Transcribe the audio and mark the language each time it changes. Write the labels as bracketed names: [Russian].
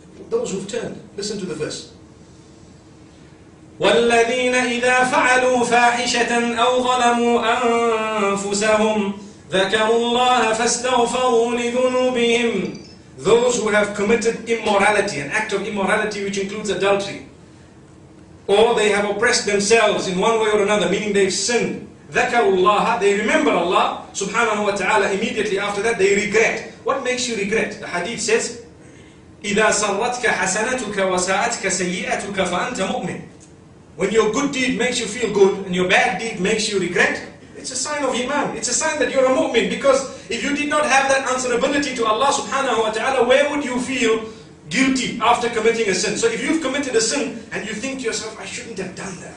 [English] Those who've turned. Listen to the verse. [Arabic] وَالَّذِينَ إِذَا فَعَلُوا فَاحِشَةً أَوْ ظَلَمُوا أَنفُسَهُمْ ذَكَرُوا اللَّهَ فَاسْتَغْفَرُوا لِذُنُوبِهِمْ. [English] Those who have committed immorality, an act of immorality which includes adultery, or they have oppressed themselves in one way or another, meaning they've sinned, [Arabic] ذَكَرُوا اللَّهَ, [English] they remember Allah subhanahu wa ta'ala, immediately after that they regret. What makes you regret? The hadith says, [Arabic] إِذَا سَرَّتْكَ حَسَنَتُكَ وَسَاءَتْكَ سَيِّئَتُكَ فَأَنْتَ مُؤْمِنٌ. [English] When your good deed makes you feel good and your bad deed makes you regret, it's a sign of iman. It's a sign that you're a mu'min, because if you did not have that answerability to Allah subhanahu wa ta'ala, where would you feel guilty after committing a sin? So if you've committed a sin and you think to yourself, I shouldn't have done that.